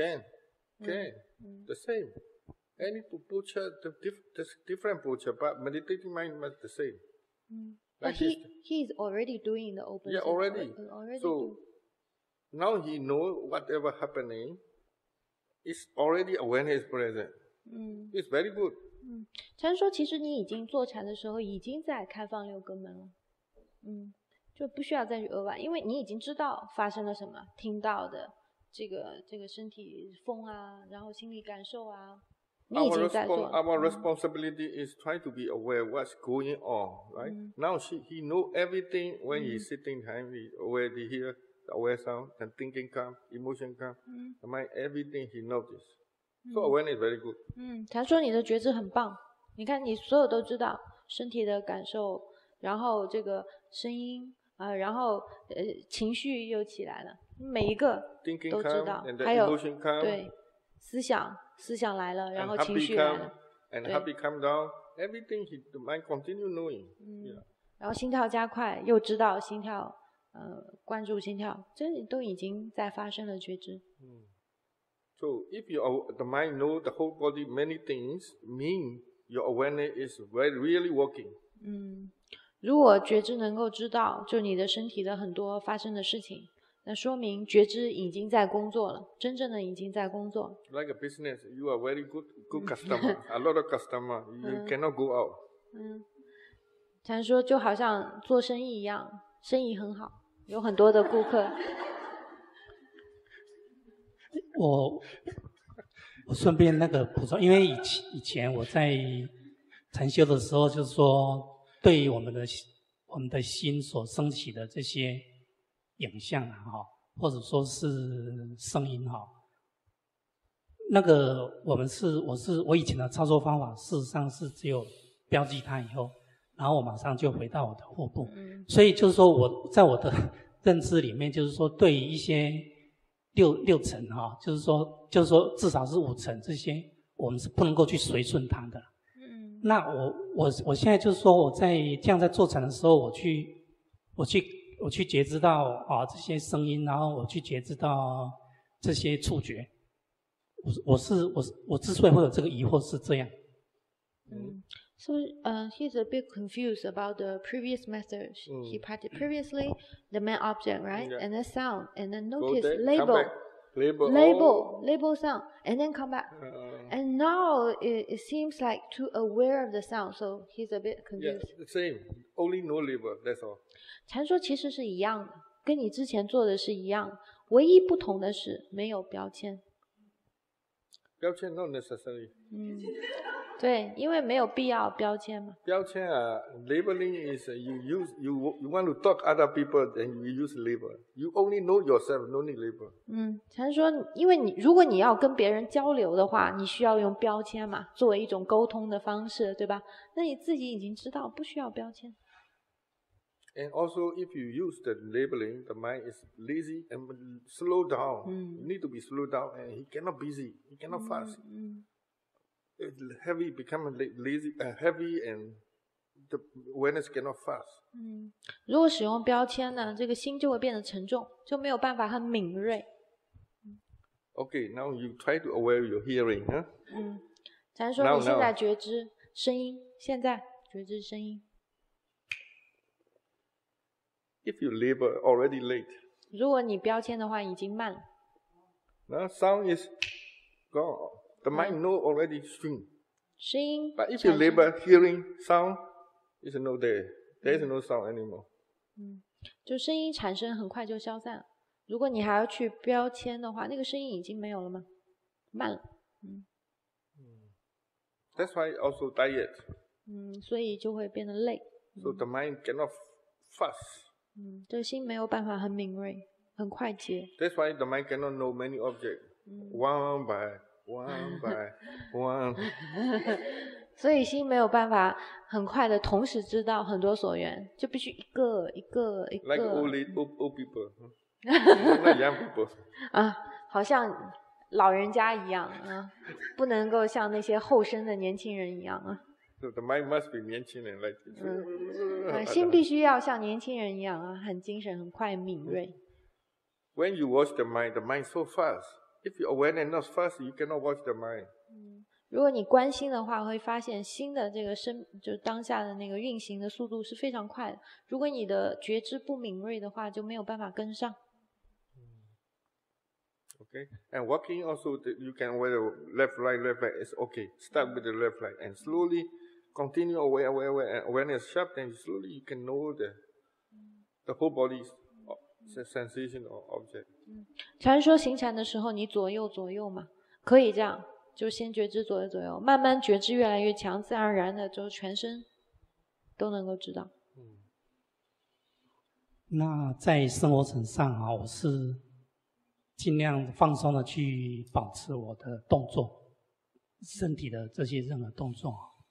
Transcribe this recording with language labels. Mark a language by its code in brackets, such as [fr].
[en] Can. The same. Any Buddha, different Buddha, but meditating mind must the same. But he is already doing the open. Yeah, already. Already. So, now he knows whatever happening, it's already awareness present. It's very good. [zh] 禅说其实你已经坐禅的时候已经在开放六根门了。就不需要再去额外，因为你已经知道发生了什么，听到的这个身体风啊，然后心理感受啊，你已经在做了。 [en] Our responsibility is try to be aware what's going on, right? Now he know everything when he's sitting time, he already hear the aware sound, and thinking come, emotion come, the mind, everything he notice. So awareness is very good. [zh] 他说你的觉知很棒，你看你所有都知道身体的感受，然后这个声音啊，然后情绪又起来了，每一个都知道。还有对思想来了，然后情绪来了。 [en] And happy come down, everything he the mind continue knowing. [zh] 然后心跳加快，又知道心跳，关注心跳，这都已经在发生了觉知。 [en] So if the mind know the whole body many things, mean your awareness is really working. [zh] 如果觉知能够知道就你的身体的很多发生的事情，那说明觉知已经在工作了，真正的已经在工作。 [en] Like a business, you are very good customer, a lot of customer, you cannot go out. [zh] 禅说就好像做生意一样，生意很好，有很多的顾客。我顺便那个补充，因为以前我在禅修的时候就是说对于我们的心所升起的这些影像啊，或者说是声音啊，那个我以前的操作方法事实上是只有标记它以后，然后我马上就回到我的腹部。所以就是说我在我的认知里面，就是说对于一些六层哈，就是说至少是五层这些，我们是不能够去随顺它的。那我现在就是说我在这样在坐禅的时候，我去觉知到啊这些声音，然后我去觉知到这些触觉。我之所以会有这个疑惑是这样。 [en] So, he's a bit confused about the previous method. He practiced previously the main object, right? And the sound, and then notice label sound, and then come back. And now it seems like too aware of the sound, so he's a bit confused. Yeah, same. Only no label, that's all. [zh] 禅说其实是一样的，跟你之前做的是一样，唯一不同的是没有标签。标签 [en] not necessary. [zh] 对，因为没有必要标签嘛。标签啊 [en] ，labeling is you want to talk other people, then you use label. You only know yourself, no need label. [zh] 禅说，因为如果你要跟别人交流的话，你需要用标签嘛，作为一种沟通的方式，对吧？那你自己已经知道，不需要标签。 [en] And also, if you use the labeling, the mind is lazy and slow down. You need to be slow down, and he cannot busy, he cannot fast. Heavy become lazy, heavy and the awareness cannot fast. [zh] 如果使用标签呢，这个心就会变得沉重，就没有办法很敏锐。 [en] Okay, now you try to aware your hearing, huh? [zh] 咱说你现在觉知声音，现在觉知声音。 [en] If you label already late. [zh] 如果你标签的话，已经慢了。 [en] The sound is gone. The mind know already soon. [zh] 声音。 [en] But if you label hearing sound, it's no there. There is no sound anymore. [zh] 就声音产生很快就消散了。如果你还要去标签的话，那个声音已经没有了吗？慢了。 [en] That's why also diet. [zh] 所以就会变得累。 [en] So the mind cannot fast. [zh] 这心没有办法很敏锐，很快捷。 [en] That's why the mind cannot know many objects, one by one. [zh] 所以心没有办法很快的同时知道很多所缘，就必须一个一个一个。 [en] Like old people, not young people. [zh] 好像老人家一样啊，不能够像那些后生的年轻人一样啊。 [en] So、the mind must be [zh] 年轻人 [en] like this. [zh] 心必须要像年轻人一样啊，很精神，很快，敏锐。 [en] When you watch the mind so fast. If your awareness not fast, you cannot watch the mind. [zh] 如果你关心的话，会发现心的这个生，就当下的那个运行的速度是非常快的。如果你的觉知不敏锐的话，就没有办法跟上。 [en] Okay. And walking also, you can wear left, right, it's okay. Start with the left, right, and slowly continue away, and when it's sharp, then slowly you can know the whole body's sensation or object. [zh] 禅说行禅的时候，你左右嘛，可以这样，就先觉知左右，慢慢觉知越来越强，自然而然的就全身都能够知道。那在生活层上啊，我是尽量放松的去保持我的动作，身体的这些任何动作。